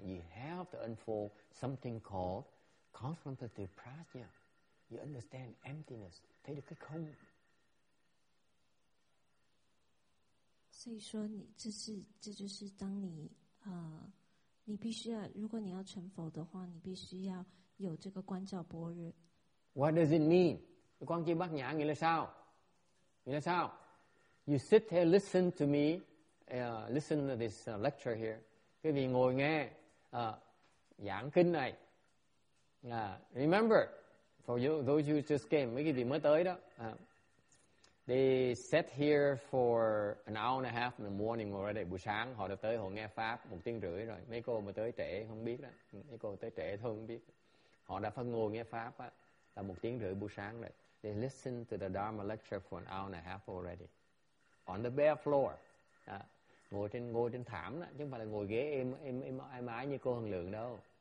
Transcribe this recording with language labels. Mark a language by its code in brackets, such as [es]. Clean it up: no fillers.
[en] You have to unfold something called contemplative prajna. You understand emptiness. [vi] Thấy được cái không. [zh] 所以说你这就是当你你必须要，如果你要成佛的话，你必须要有这个观照般若。 [en] What does it mean? [zh] 观照般若你了啥？你了啥？ [en] You sit here, listen to me. Listen to this lecture here. [zh] 各位 [vi] ngồi nghe giảng kinh này. [en] Remember, for you, those who just came, [vi] mấy cái gì mới tới đó, [en] they sat here for an hour and a half in the morning already. [vi] Buổi sáng họ đã tới, họ nghe pháp 1:30 rồi. Mấy cô mà tới trễ không biết đó, mấy cô tới trễ thôi không biết. Họ đã phải ngồi nghe pháp á, là 1:30 buổi sáng rồi. [en] They listen to the Dharma lecture for an hour and a half already, on the bare floor. [vi] Ngồi trên thảm đó, chứ không phải là ngồi ghế êm ái như cô Hằng Lượng đâu.